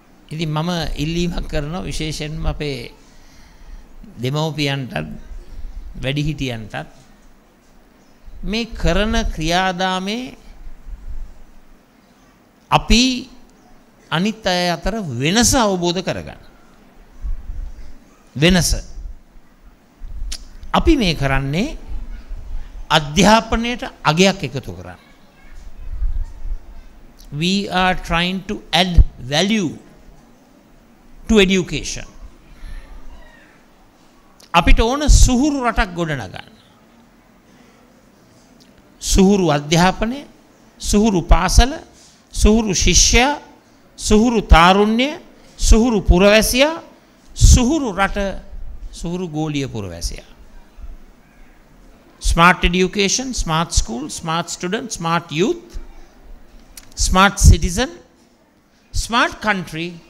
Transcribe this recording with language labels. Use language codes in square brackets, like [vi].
[si] ඉතින් මම ඉල්ලීමක් කරනවා විශේෂයෙන්ම අපේ දෙමෝපියන්ටත් වැඩිහිටියන්ටත් මේ කරන ක්‍රියාදාමේ අපි අනිත් අය අතර වෙනස අවබෝධ කරගන්න. වෙනස. අපි මේ කරන්නේ අධ්‍යාපනයට අගයක් එකතු කරන්න. [en] We are trying to add value to education. [si] අපිට ඕන සුහුරු රටක් ගොඩනගන්න. සුහුරු අධ්‍යාපනය, සුහුරු පාසල, සුහුරු ශිෂ්‍යයා, සුහුරු තාරුණ්‍ය, සුහුරු පුරවැසියා, සුහුරු රට, සුහුරු ගෝලීය පුරවැසියා. [en] Smart education, smart school, smart student, smart youth, smart citizen, smart country.